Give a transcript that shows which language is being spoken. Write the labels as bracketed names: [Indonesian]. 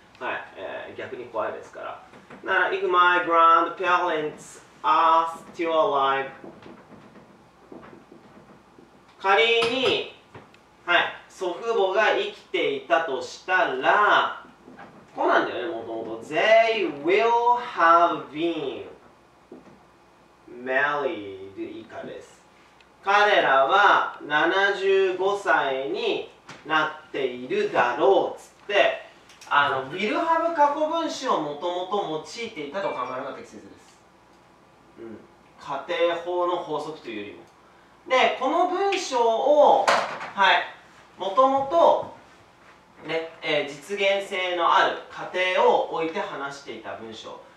[Japanese] はい。逆に怖いですから。なら、 If my grandparents are still alive. 仮に、はい、祖父母が生きていたとしたら、こうなんだよね、もともと。 [English] They will have been married 以下です。 [Japanese] 彼らは75歳になっているだろうっつって、will have 過去分詞をもともと用いていたと考えるのが適切です。うん。仮定法の法則というよりも。で、この文章を、はい、もともと、ね、実現性のある仮定を置いて話していた文章。